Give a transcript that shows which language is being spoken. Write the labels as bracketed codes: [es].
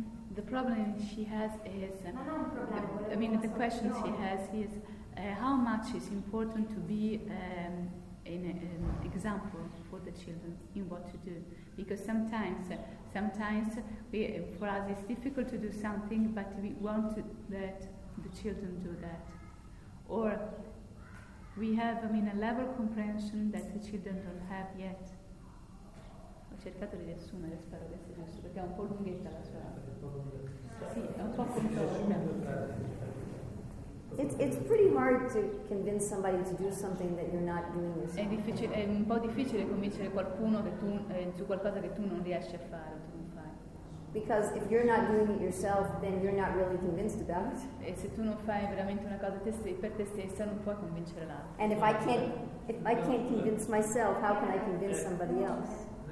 [en] The problem she has is, the question she has is, how much is important to be an example for the children in what to do? Because sometimes for us it's difficult to do something, but we want to let the children do that. Or we have, a level of comprehension that the children don't have yet. [it] Cercato di riassumere, spero che sia giusto, perché è un po' lunghetta la sua. Sì, è un po' complicata. [en] It's pretty hard to convince somebody to do something that you're not doing yourself. [it] È un po' difficile convincere qualcuno che tu su qualcosa che tu non riesci a fare, tu non fai. [en] Because if you're not doing it yourself, then you're not really convinced about it. [it] E se tu non fai veramente una cosa per te stessa, non puoi convincere l'altro. [en] And if I can't, convince myself, how can I convince somebody else?